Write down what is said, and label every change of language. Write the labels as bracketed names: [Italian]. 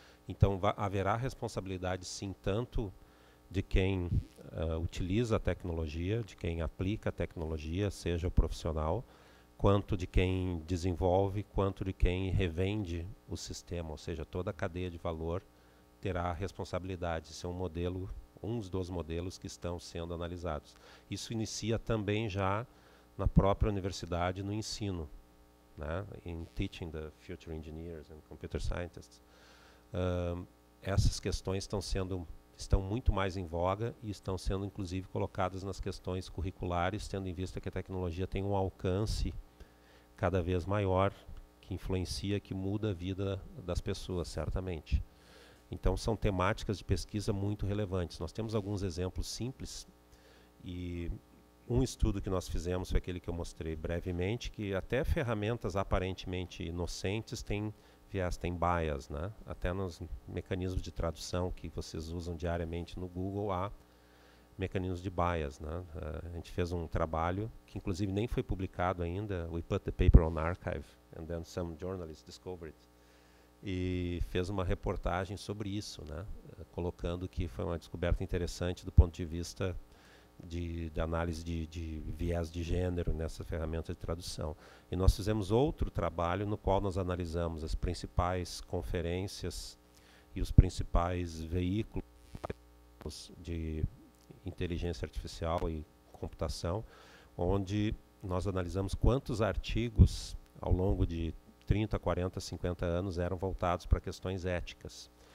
[Portuguese] Então haverá responsabilidade, sim, tanto de quem utiliza a tecnologia, de quem aplica a tecnologia, seja o profissional, quanto de quem desenvolve, quanto de quem revende o sistema, ou seja, toda a cadeia de valor terá responsabilidade. Isso é um modelo, um dos modelos que estão sendo analisados. Isso inicia também já na própria universidade, no ensino, né? [English] In teaching the future engineers and computer scientists. [Portuguese] Essas questões estão muito mais em voga e estão sendo, inclusive, colocadas nas questões curriculares, tendo em vista que a tecnologia tem um alcance cada vez maior, que influencia, que muda a vida das pessoas, certamente. Então, são temáticas de pesquisa muito relevantes. Nós temos alguns exemplos simples, e um estudo que nós fizemos foi aquele que eu mostrei brevemente, que até ferramentas aparentemente inocentes têm viés, têm bias, né? Até nos mecanismos de tradução que vocês usam diariamente no Google, há mecanismos de bias, né? A gente fez um trabalho que, inclusive, nem foi publicado ainda. [English] We put the paper on archive, and then some journalists discovered it. [Portuguese] E fez uma reportagem sobre isso, né? Colocando que foi uma descoberta interessante do ponto de vista de análise de viés de gênero nessa ferramenta de tradução. E nós fizemos outro trabalho no qual nós analisamos as principais conferências e os principais veículos de inteligência artificial e computação, onde nós analisamos quantos artigos ao longo de 30, 40, 50 anos eram voltados para questões éticas.